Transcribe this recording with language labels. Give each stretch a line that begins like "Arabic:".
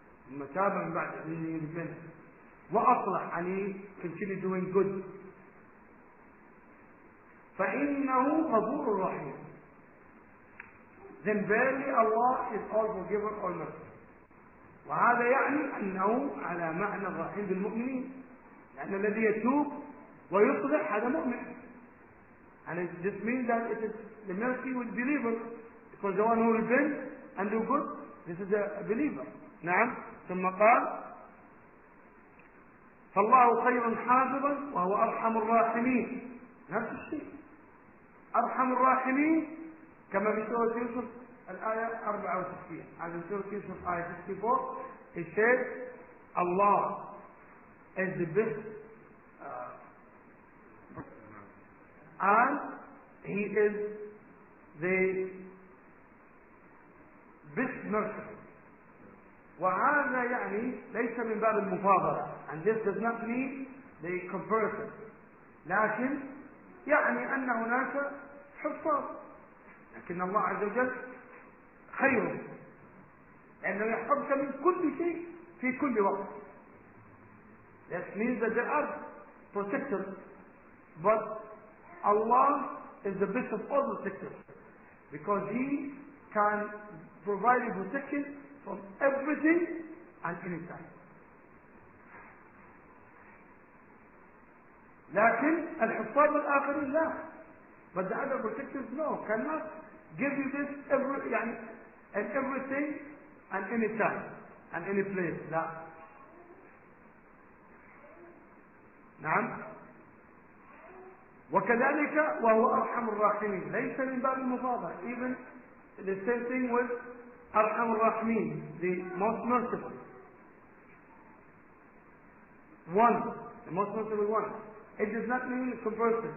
Arabic: ثم تاب من بعده
English: and then he repented
Arabic: وأصلح
English: and he continued doing good.
Arabic: فإنه غفور رحيم.
English: Then verily Allah is all forgiver, all merciful.
Arabic: وهذا يعني أنه على معنى الرحيم بالمؤمنين. لأن الذي يتوب ويصلح هذا مؤمن.
English: And it just means that it is the mercy with believers. For the one who will bend and do good, this is a believer.
Arabic: نعم. ثم قال فالله خير حافظا وهو أرحم الراحمين. نفس الشيء. أرحم الراحمين كما في سورة يوسف الآية 64. هذا سورة يوسف آية 64.
English: He said Allah is the best and He is the best merciful.
Arabic: وهذا يعني ليس من باب المفاضلة.
English: And this does not mean they converted.
Arabic: لكن يعني أن هناك حفاظ. لكن الله عز وجل خير لأنه يحفظك من كل شيء في كل وقت.
English: This means that they are protected. But Allah is the best of all protectors. Because He can provide protection from everything and anytime.
Arabic: لكن الحفاظ الآخرين لا.
English: But the other protectors, no, cannot give you this every, يعني, and everything and any time and any place.
Arabic: لا. نعم. وكذلك وهو أرحم الراحمين. ليس من باب المفاضلة.
English: Even the same thing with
Arabic: أرحم الراحمين.
English: The most merciful. One. The most merciful one. It does not mean conversion.